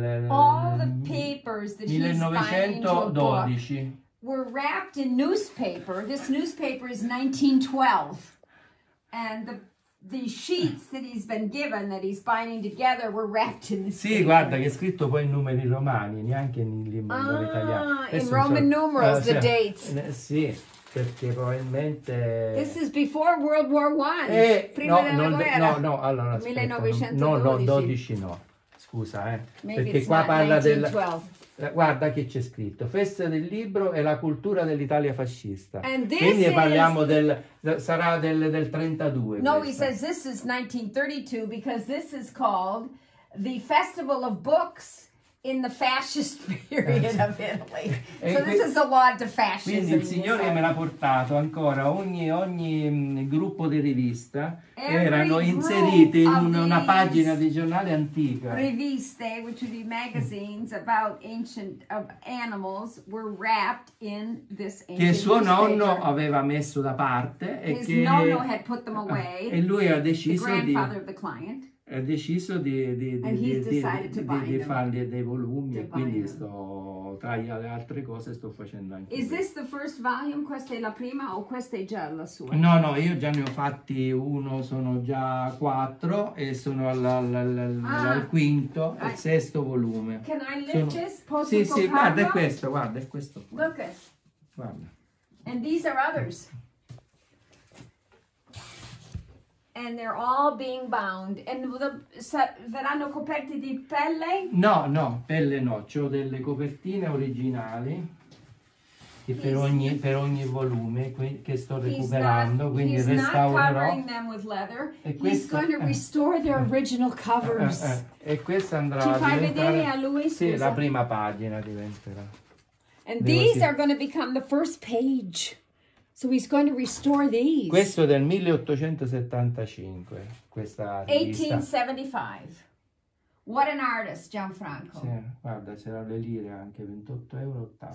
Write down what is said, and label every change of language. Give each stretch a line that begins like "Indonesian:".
English: all the papers that 1912 were wrapped in newspaper. This newspaper is 1912 and the sheets that he's been given that he's binding together were wrapped in the
Italian: sì, guarda che è scritto poi in numeri romani, neanche in lingua italiana.
English: In Roman numerals, the dates.
Italian: Sì, perché probabilmente.
English: This is before World War One.
Italian: Prima della guerra. No, allora. 1912. No, 12 no. Scusa,
English: Maybe
Italian: perché
English: it's
Italian: qua
English: not
Italian: parla del. Guarda che c'è scritto, festa del libro e la cultura dell'Italia fascista. Quindi parliamo del 32. No, questa.
English: He says this is 1932 because this is called the Festival of Books in the Fascist Period of Italy. So this is a lot to fascism.
Italian: Quindi il signore me l'ha portato ancora, ogni gruppo di rivista erano inserite in una pagina di giornale antica.
English: Riviste, which would be magazines about ancient of animals, were wrapped in this ancient
Italian: che suo nonno aveva messo da parte e
English: his
Italian: che
English: nonno had put them away,
Italian: e lui ha deciso
English: the grandfather of the client.
Italian: Ha deciso di fargli dei volumi e quindi sto tra le altre cose sto facendo anche.
English: Is this the first volume?
Italian: Questa è la prima o questa è già la sua? No, io già ne ho fatti uno, sono già quattro e sono al quinto, al sesto volume.
English: Can I lift this?
Italian: Sì, guarda, è questo.
English: Look at.
Italian: Guarda.
English: And these are others. And they're all being bound.
Italian: And verranno coperti di pelle? No, pelle no. C'ho delle copertine originali che per ogni volume che sto recuperando, quindi restaurerò.
English: He's not covering them with leather. He's going to restore their original covers.
Italian: E questa andrà a diventare. Ci fai vedere a lui? Sì, la prima pagina diventerà.
English: And these are going to become the first page. So he's going to restore these.
Italian: Questo è del 1875, questa rivista.
English: 1875. What an artist, Gianfranco.
Italian: Sì, guarda, se la lire anche 28 euro 80.